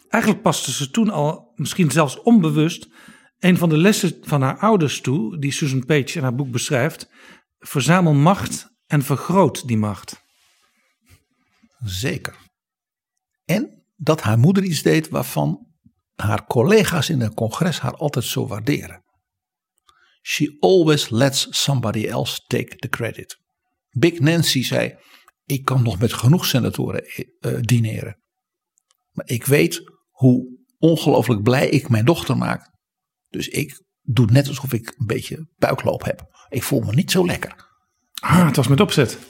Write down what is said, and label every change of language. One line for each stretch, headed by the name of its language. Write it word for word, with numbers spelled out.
Dutch: Eigenlijk paste ze toen al, misschien zelfs onbewust, een van de lessen van haar ouders toe, die Susan Page in haar boek beschrijft: verzamel macht en vergroot die macht. Zeker. En dat haar moeder iets deed waarvan haar collega's in het congres haar altijd zo waarderen.
English: She always lets somebody else take the credit.
Dutch: Big Nancy zei, ik kan nog met genoeg senatoren uh, dineren. Maar ik weet hoe ongelooflijk blij ik mijn dochter maak. Dus ik doe net alsof ik een beetje buikloop heb. Ik voel me niet zo lekker. Ah, het was met opzet.